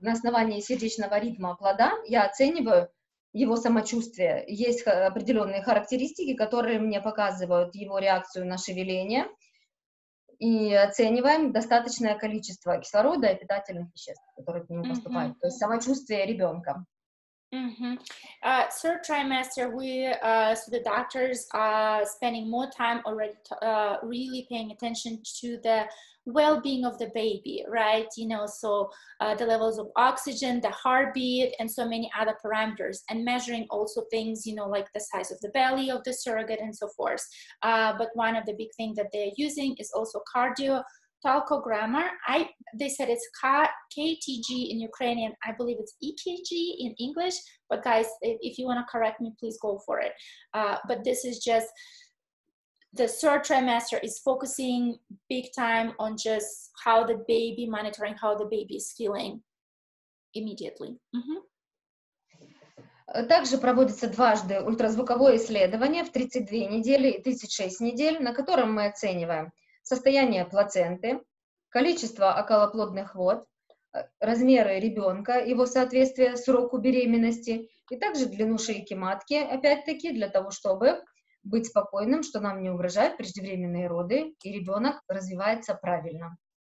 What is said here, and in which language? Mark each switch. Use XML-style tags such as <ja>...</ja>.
<ru>На основании сердечного ритма плода я оцениваю его самочувствие. Есть определенные характеристики, которые мне показывают его реакцию на шевеление. И оцениваем достаточное количество кислорода и питательных веществ, которые к нему uh-huh. поступают. То есть самочувствие ребенка. Mm-hmm.</ru> <en>Third trimester, so the doctors are spending more time already really paying attention to the well-being of the baby, right? You know, so the levels of oxygen, the heartbeat, and so many other parameters, and measuring also things, you know, like the size of the belly of the surrogate and so forth. But one of the big things that they're using is also cardiotalkogramma. They said it's KTG in Ukrainian. I believe it's EKG in English. But guys, if you want to correct me, please go for it. But this is just the third trimester is focusing big time on just how the baby, monitoring how the baby is feeling immediately. Mm-hmm.</en> <ru>Также проводится дважды ультразвуковое исследование в 32 недели и 36 недель, на котором мы оцениваем состояние плаценты, количество околоплодных вод, размеры ребенка, его соответствие сроку беременности и также длину шейки матки, опять-таки для того, чтобы быть спокойным, что нам не угрожают преждевременные роды и ребенок развивается правильно.</ru>